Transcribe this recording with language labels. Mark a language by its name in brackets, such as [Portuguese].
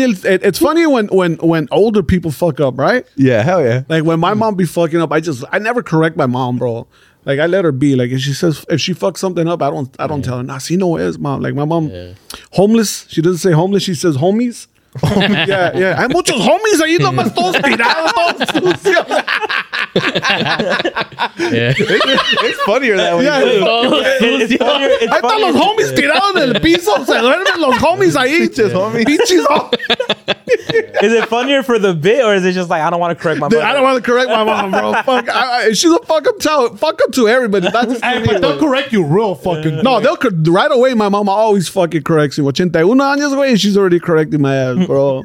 [English] It's funny when older people fuck up, right? Yeah, hell yeah. Like, when my mom be fucking up, I never correct my mom, bro. Like, I let her be. Like, if she says, if she fucks something up, I don't tell her. Nah, see, no, it's mom. Like, my mom, homeless. She doesn't say homeless. She says homies. Yeah. [Spanish] Hay muchos homies ahí nomás todos tirados, todos sucios. [English] It's funnier that way. Yeah, it's funnier. [Spanish] Ahí están los homies tirados en el piso. Se duermen los homies ahí. Pinches homies. Pinches homies. [English] Is it funnier for the bit, or is it just like, I don't want to correct my mom? I don't want to correct my mom, bro. Fuck. She's a fuck up to everybody. That's hey, but they'll correct you real fucking No, they'll right away. My mama always fucking corrects you. [Spanish] 81 años, güey, [English] she's already correcting my ass, bro.